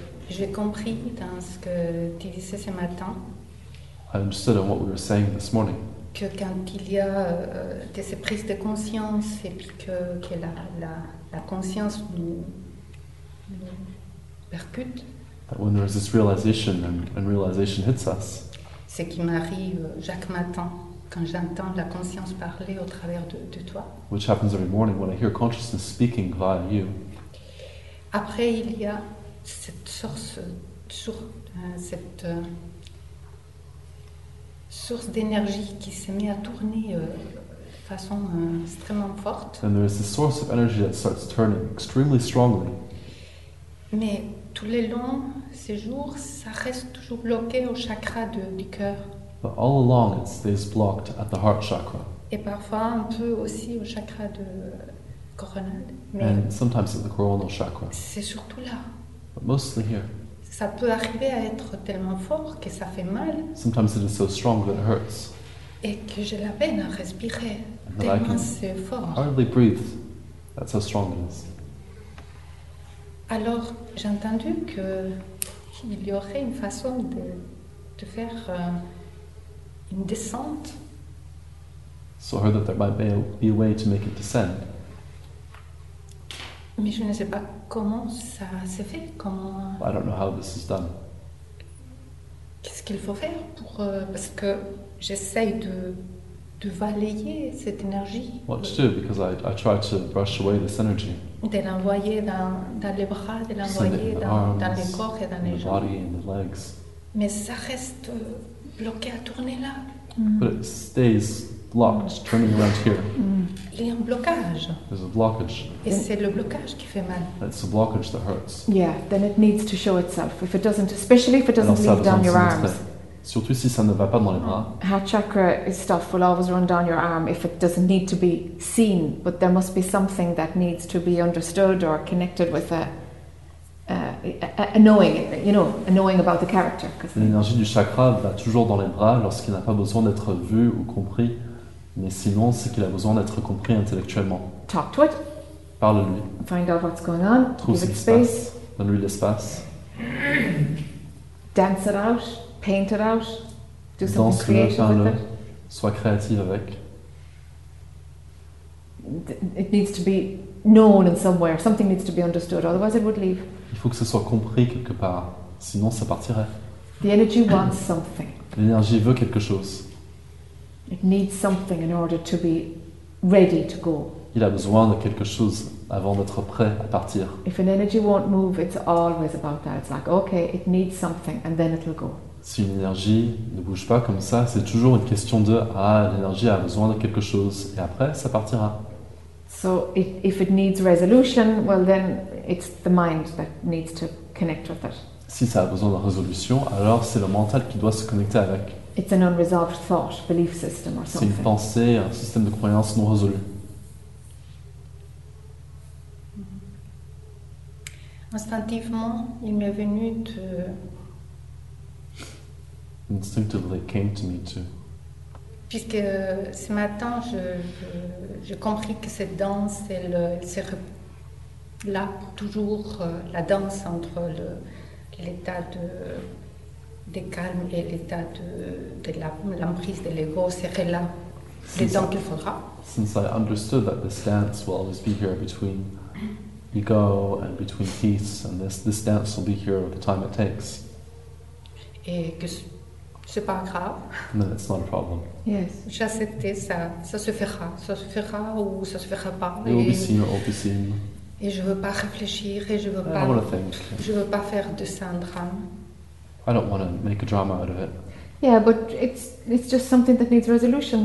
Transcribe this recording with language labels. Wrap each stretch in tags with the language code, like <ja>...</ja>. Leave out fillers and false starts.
<fr>J'ai compris dans ce que tu disais ce matin.</fr> <en>I understood on what we were saying this morning.</en> <fr>Que quand il y a ces prises de conscience et puis que la conscience nous percute.</fr> <en>That when there is this realization and realization hits us.</en> <fr>Ce qui m'arrive chaque matin. Quand j'entends la conscience parler au travers de toi.</fr> <en>Which happens every morning when I hear consciousness speaking via you.</en> <fr>Après, il y a cette source d'énergie qui se met à tourner façon extrêmement forte.</fr> <en>And there is this source of energy that starts turning extremely strongly.</en> <fr>Mais tout le long, ces jours, ça reste toujours bloqué au chakra du cœur.</fr> <en>But all along, it stays blocked at the heart chakra.</en> <fr>Et parfois un peu aussi au chakra de coronal.</fr> <en>And sometimes at the coronal chakra.</en> <fr>C'est surtout là.</fr> <en>But mostly here.</en> <fr>Ça peut arriver à être tellement fort que ça fait mal.</fr> <en>Sometimes it is so strong that it hurts.</en> <fr>Et que j'ai la peine à respirer tellement c'est fort.</fr> <en>Hardly breathe. That's how strong it is.</en> <fr>Alors j'ai entendu qu'il y aurait une façon de faire une descente.</fr> <en>So I heard that there might be a way to make it descend.</en> <fr>Mais je ne sais pas comment ça se fait, comment.</fr> <en>Well, I don't know how this is done.</en> <fr>Qu'est-ce qu'il faut faire pour parce que j'essaye de balayer cette énergie.</fr> <en>What to do? Because I try to brush away this energy.</en> <fr>De l'envoyer dans les bras, de l'envoyer dans les corps et dans les jambes.</fr> <en>Body and the legs.</en> <fr>Mais ça reste bloqué à tourner là.</fr> <en>But it stays blocked, turning around here.</en> <fr>Il y a un blocage.</fr> <en>There's a blockage.</en> <fr>Et c'est le blocage qui fait mal.</fr> <en>It's the blockage that hurts. Yeah, then it needs to show itself. If it doesn't, especially if it doesn't leave down your arms.</en> <fr>Surtout si ça ne va pas dans les bras.</fr> <en>Heart chakra stuff will always run down your arm if it doesn't need to be seen, but there must be something that needs to be understood or connected with a knowing, you know, a knowing about the character.</en> <fr>L'énergie du chakra va toujours dans les bras lorsqu'il n'a pas besoin d'être vu ou compris, mais sinon c'est qu'il a besoin d'être compris intellectuellement.</fr> <en>Talk to it.</en> <fr>Parle-lui.</fr> <en>Find out what's going on.</en> <fr>Trouve</fr> <en>give it space.</en> <fr>Donne-lui l'espace.</fr> <en>Dance it out. Paint it out. Do something</en> <fr>dans</fr> <en>creative with</en> <fr>le,</fr> <en>it.</en> <fr>Sois créative avec.</fr> <en>It needs to be known in somewhere. Something needs to be understood. Otherwise, it would leave.</en> <fr>Il faut que ce soit compris quelque part. Sinon, ça partirait.</fr> <en>The energy wants something.</en> <fr>L'énergie veut quelque chose.</fr> <en>It needs something in order to be ready to go.</en> <fr>Il a besoin de quelque chose avant d'être prêt à partir.</fr> <en>If an energy won't move, it's always about that. It's like, okay, it needs something, and then it'll go.</en> <fr>Si une énergie ne bouge pas comme ça, c'est toujours une question de « Ah, l'énergie a besoin de quelque chose » et après, ça partira.</fr> <en>So, if it needs resolution, well then, it's the mind that needs to connect with it.</en> <fr>Si ça a besoin de résolution, alors c'est le mental qui doit se connecter avec.</fr> <en>It's an unresolved thought, belief system or something.</en> <fr>C'est une pensée, un système de croyance non résolu. Instinctivement, il m'est venu de...</fr> <en>Instinctively came to me too.</en> <fr>Puisque ce matin, j'ai compris que cette danse, elle là pour toujours, la danse entre l'état de calme et l'état de l'emprise de l'ego serait là le temps qu'il faudra.</fr> <en>Since I understood that this dance will always be here between ego and between peace, and this dance will be here the time it takes.</en> <fr>Et que c'est pas grave.</fr> <en>No, it's not a problem. Yes.</en> <fr>J'ai accepté ça. Ça se fera. Ça se fera ou ça se fera pas.</fr> <en>It will be seen or it will be seen.</en> <fr>Et je veux pas réfléchir et je veux</fr> <en>I</en> <fr>pas.</fr> <en>I don't want to think.</en> <fr>Je veux pas faire de ça un drame.</fr> <en>I don't want to make a drama out of it. Yeah, but it's just something that needs resolution.</en>